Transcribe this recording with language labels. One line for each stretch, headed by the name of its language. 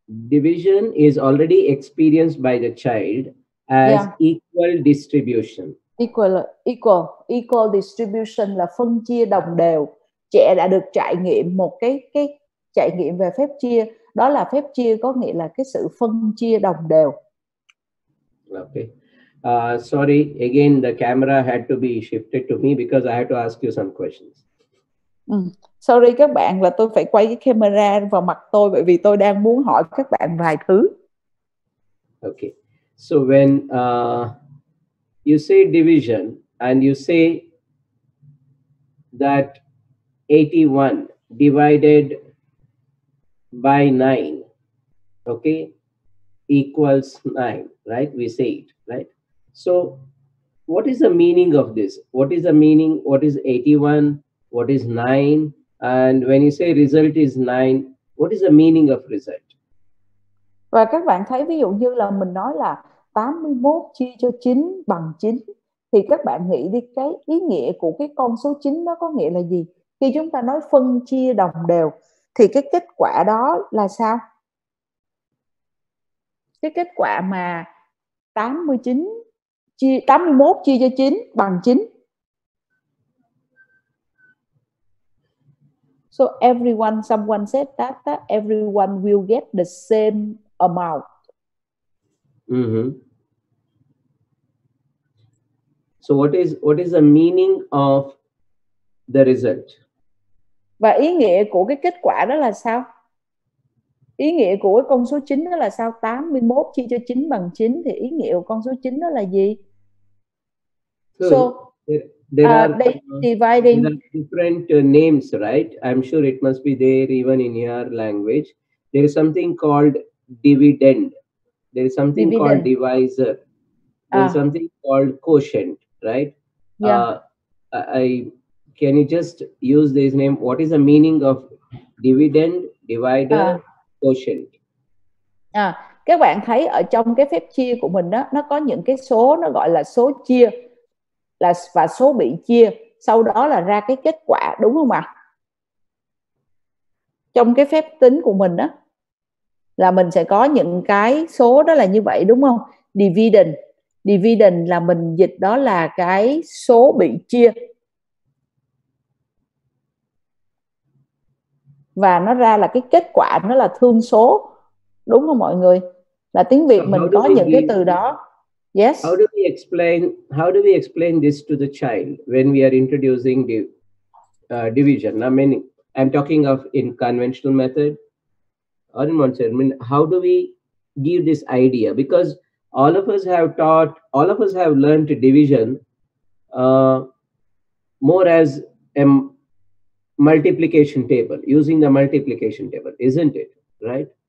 English: Division is already experienced by the child as equal distribution. Equal distribution
Vietnamese: là phân chia đồng đều. Trẻ đã được trải nghiệm một cái trải nghiệm về phép chia, đó là phép chia có nghĩa là cái sự phân chia đồng đều.
English: Okay. Sorry, again the camera had to be shifted to me because I had to ask you some questions. Sorry
Vietnamese: các bạn, là tôi phải quay cái camera vào mặt tôi bởi vì tôi đang muốn hỏi các bạn vài thứ.
English: Okay. So when you say division and you say that 81 divided by 9, okay, equals 9, right? We say it, right? So what is the meaning of this? What is the meaning? What is 81? What is 9? And when you say result is 9, What is the meaning of result?
Vietnamese: Và các bạn thấy ví dụ như là mình nói là 81 chia cho 9 bằng 9 thì các bạn nghĩ đi, cái ý nghĩa của cái con số 9 nó có nghĩa là gì? Khi chúng ta nói phân chia đồng đều thì cái kết quả đó là sao? Cái kết quả mà 89 chia 81 chia cho 9 bằng 9.
English: So everyone, someone said that, that everyone will get the same amount. Mm-hmm. So what is the meaning of the result?
Vietnamese: Và ý nghĩa của cái kết quả đó là sao? Ý nghĩa của cái con số 9 đó là sao? 81 chia cho 9 bằng 9 thì ý nghĩa của con số 9 đó là gì?
English: Good. So There are different names, right? I'm sure it must be there even in your language. There is something called dividend. There is something dividend. Called divisor. There is something called quotient, right? Yeah. Can you just use this name? What is the meaning of dividend, divider, quotient?
Vietnamese: Các bạn thấy ở trong cái phép chia của mình đó, nó có những cái số nó gọi là số chia. Là và số bị chia sau đó là ra cái kết quả, đúng không ạ? Trong cái phép tính của mình đó là mình sẽ có những cái số đó là như vậy, đúng không? Dividend, dividend là mình dịch đó là cái số bị chia và nó ra là cái kết quả, nó là thương số, đúng không mọi người? Là tiếng Việt mình có những cái từ đó.
English: Yes. How do we explain this to the child when we are introducing the division? I mean, I'm talking of in conventional method or in Montessori. I mean, how do we give this idea? Because all of us have learned division more as a multiplication table, using the multiplication table, isn't it? Right.